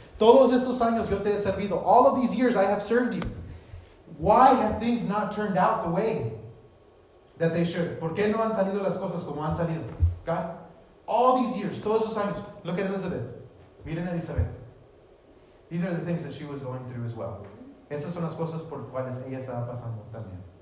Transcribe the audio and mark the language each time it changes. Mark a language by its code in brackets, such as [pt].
[es] Todos estos años yo te he servido, [en] all of these years I have served you. Why have things not turned out the way that they should? [es] ¿Por qué no han salido las cosas como han salido? [en] God, all these years, [es] todos esos años, [en] look at Elizabeth. [es] Miren a Elizabeth. [en] These are the things that she was going through as well. [es] Esas son las cosas por cuales ella estaba pasando también.